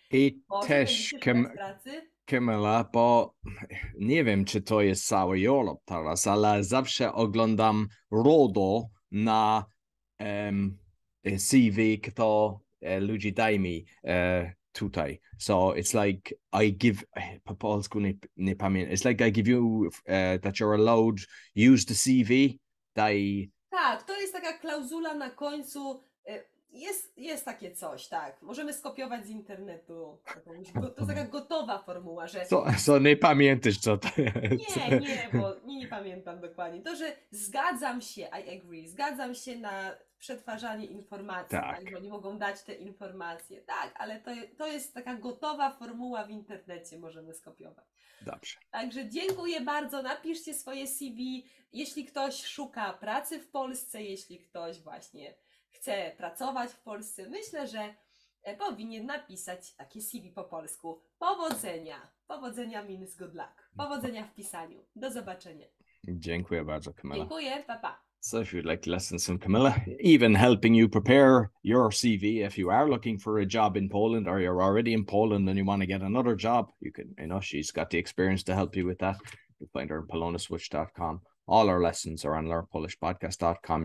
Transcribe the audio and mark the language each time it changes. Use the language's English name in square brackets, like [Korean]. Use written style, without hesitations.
[English] I [Polish] Może też będziecie szukać pracy. Kamila, bo nie wiem, czy to jest cały Europa teraz, ale zawsze oglądam RODO na CV, kto ludzi daje mi tutaj. [English] So it's like I give, [Polish] po polsku nie pamiętam, [English] it's like I give you, that you're allowed, use the CV, [Polish] daj. Tak, to jest taka klauzula na końcu. Jest takie coś, tak. Możemy skopiować z internetu jakąś. To jest taka gotowa formuła, że. Co nie pamiętasz, co to jest? Nie, nie, bo nie pamiętam dokładnie. To, że zgadzam się, [English] I agree, [Polish] zgadzam się na przetwarzanie informacji, tak, że Tak. oni mogą dać te informacje. Tak, ale to jest taka gotowa formuła w internecie, możemy skopiować. Dobrze. Także dziękuję bardzo. Napiszcie swoje CV. Jeśli ktoś szuka pracy w Polsce, jeśli ktoś właśnie chce pracować w Polsce, myślę, że powinien napisać takie CV po polsku. Powodzenia! Powodzenia, [English] means good luck. [Polish] Powodzenia w pisaniu. Do zobaczenia. Dziękuję bardzo, Kamila. Dziękuję, pa pa. [English] So, if you'd like lessons from Kamila, even helping you prepare your CV, if you are looking for a job in Poland or you're already in Poland and you want to get another job, you can, you know, she's got the experience to help you with that. You'll find her on poloniaswitch.com. All our lessons are on learnpolishpodcast.com.